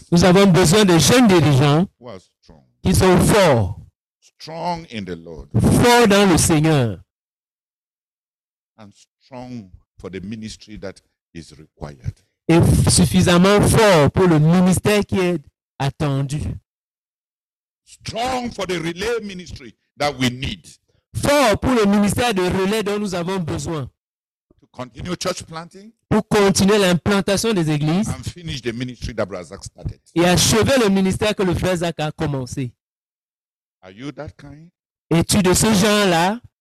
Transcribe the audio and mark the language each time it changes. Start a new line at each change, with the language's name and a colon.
French: Nous avons besoin de jeunes dirigeants qui sont forts.
English: Strong in the Lord.
French: Forts dans le Seigneur.
English: And strong for the ministry that is required.
French: Et suffisamment fort pour le ministère qui est attendu.
English: Strong for the relay ministry that we need.
French: Fort pour le ministère de relais dont nous avons besoin.
English: To continue church planting.
French: Pour continuer l'implantation des églises.
English: And finish the ministry that Brother Zach started.
French: Et achever le ministère que le frère Zach a commencé.
English: Are you that kind?
French: Es-tu de ce genre-là?